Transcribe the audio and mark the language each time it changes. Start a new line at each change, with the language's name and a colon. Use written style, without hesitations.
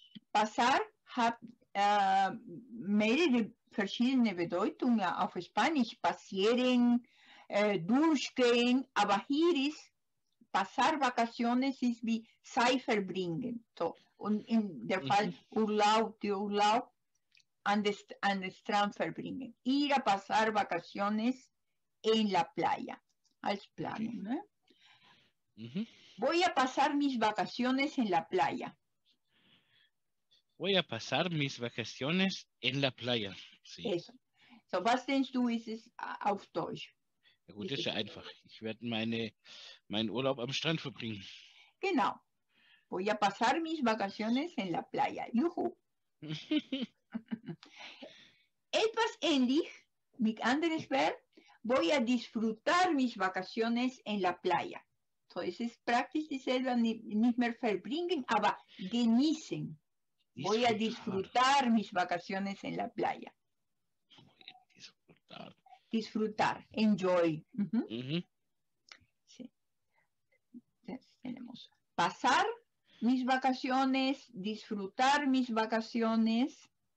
German: Pasar hat mehrere verschiedene Bedeutungen auf Spanisch. Passieren, durchgehen, aber hier ist pasar vacaciones ist wie Zeit verbringen. So, und in der Fall Urlaub an den Strand verbringen.
Spanish: Ir a pasar vacaciones en la playa.
German: Als Planung. Okay. Ne? Mm-hmm.
Spanish: Voy a pasar mis vacaciones en la playa. Voy a pasar mis vacaciones en la playa. Sí. Eso.
German: So, was denkst du, ist es auf Deutsch? Ja gut, das ist ja einfach. Ich werde meinen Urlaub am Strand verbringen. Genau.
Spanish: Voy a pasar mis vacaciones en la playa. Juhu.
German: Etwas ähnlich mit anderes Verb.
Spanish: Voy a disfrutar mis vacaciones en la playa.
German: So, es ist praktisch dieselbe, nicht mehr verbringen, aber genießen.
Spanish: Voy a disfrutar mis vacaciones en la playa. Disfrutar. Disfrutar, enjoy. Uh-huh. Uh-huh. Sí. Tenemos pasar mis vacaciones, disfrutar mis vacaciones.